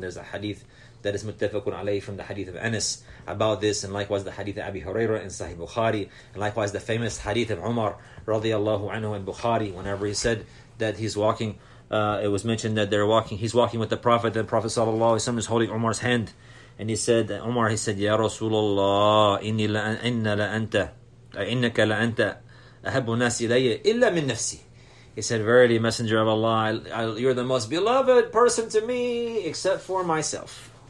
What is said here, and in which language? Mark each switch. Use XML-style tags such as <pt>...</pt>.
<en>There's a hadith that is muttafaqun alayhi from the hadith of Anas about this, and likewise the hadith of Abi Hurairah in Sahih Bukhari, and likewise the famous hadith of Umar radiallahu anhu in Bukhari, whenever he said that he's walking, it was mentioned that he's walking with the Prophet, and the Prophet sallallahu alayhi wa sallam is holding Umar's hand. And he said, Umar, he said,</en> <ar>Ya Rasulullah, inna la anta إنك لأنت أحب الناس إلي إلا من نفسي.</ar> <en>He said, "Verily, Messenger of Allah, you're the most beloved person to me, except for myself.</en>